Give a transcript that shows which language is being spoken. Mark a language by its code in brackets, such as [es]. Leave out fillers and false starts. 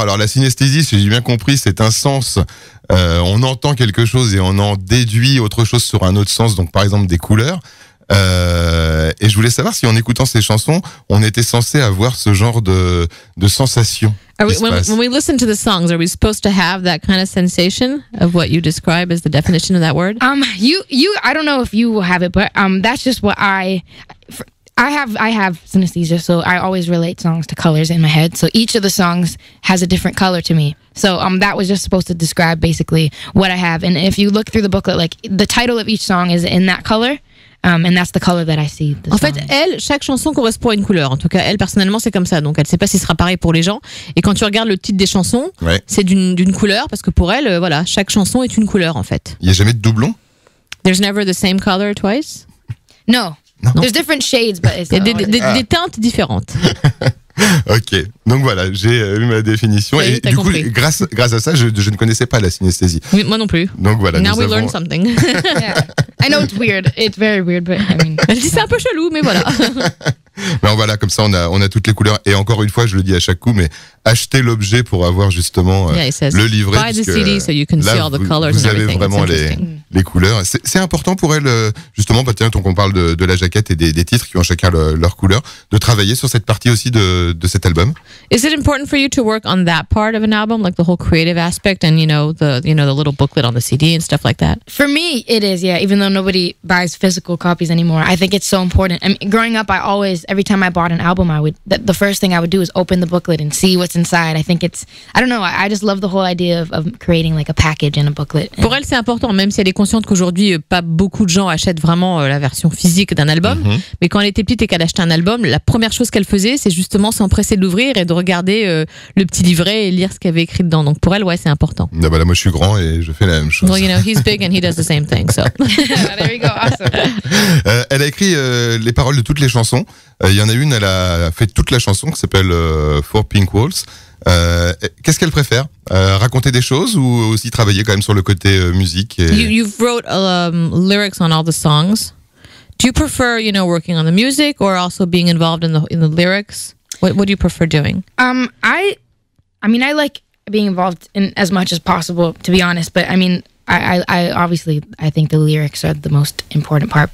[fr] Alors la synesthésie, si j'ai bien compris, c'est un sens. On entend quelque chose et on en déduit autre chose sur un autre sens. Donc par exemple des couleurs. Et je voulais savoir si en écoutant ces chansons, on était censé avoir ce genre de sensation. [en] When we listen to the songs, are we supposed to have that kind of sensation of what you describe as the definition of that word? I don't know if you have it, but that's just what I. I have synesthesia, so I always relate songs to colors in my head. So each of the songs has a different color to me. So that was just supposed to describe basically what I have. And if you look through the booklet, like the title of each song is in that color. And that's the color that I see. [fr] En fait, elle, chaque chanson correspond à une couleur. En tout cas, elle, personnellement, c'est comme ça. Donc, elle ne sait pas si ce sera pareil pour les gens. Et quand tu regardes le titre des chansons, c'est d'une couleur. Parce que pour elle, voilà, chaque chanson est une couleur, en fait. Il n'y a jamais de doublon ? [en] There's never the same color twice ? No. Non. There's different shades, but it's... [fr] Il y a des teintes différentes. Ok, donc voilà, j'ai eu ma définition. Oui, et du coup, grâce à ça, je ne connaissais pas la synesthésie. Oui, moi non plus. Donc voilà. [en] Now we learn something. Yeah. I know it's weird. It's very weird, but I mean. [fr] Je dis c'est un peu chelou, mais voilà. Mais voilà, comme ça, on a toutes les couleurs. Et encore une fois, je le dis à chaque coup, mais achetez l'objet pour avoir justement le livret. [en] Buy the CD so you can see all the colors. [fr] Vous avez vraiment les couleurs. C'est important pour elle, justement, bah, tiens, tant qu'on parle de la jaquette et des titres qui ont chacun leur couleur, de travailler sur cette partie aussi de cet album. [en] Is it important for you to work on that part of an album, like the whole creative aspect and the little booklet on the CD and stuff like that? For me, it is, yeah. Even though nobody buys physical copies anymore, I think it's so important. I mean, growing up, I always, every time I bought an album, the first thing I would do is open the booklet and see what's inside. I think it's, I don't know, I just love the whole idea of creating like a package and a booklet. [fr] Pour elle, c'est important, même si elle est consciente qu'aujourd'hui, pas beaucoup de gens achètent vraiment la version physique d'un album. Mm-hmm. Mais quand elle était petite et qu'elle achetait un album, la première chose qu'elle faisait, c'est justement s'empresser de l'ouvrir et de regarder le petit livret et lire ce qu'il y avait écrit dedans. Donc pour elle, ouais, c'est important. Ah bah là, moi, je suis grand et je fais la même chose. [en] Well, you know, he's big and he does the same thing, so. There you go, awesome. [fr] Elle a écrit les paroles de toutes les chansons. Il y en a une, elle a fait toute la chanson qui s'appelle Four Pink Walls. Qu'est-ce qu'elle préfère, raconter des choses ou aussi travailler quand même sur le côté musique et... [en] You've wrote lyrics on all the songs. Do you prefer, you know, working on the music or also being involved in the lyrics? What do you prefer doing? I mean, I like being involved in as much as possible, to be honest. But I mean, I think the lyrics are the most important part.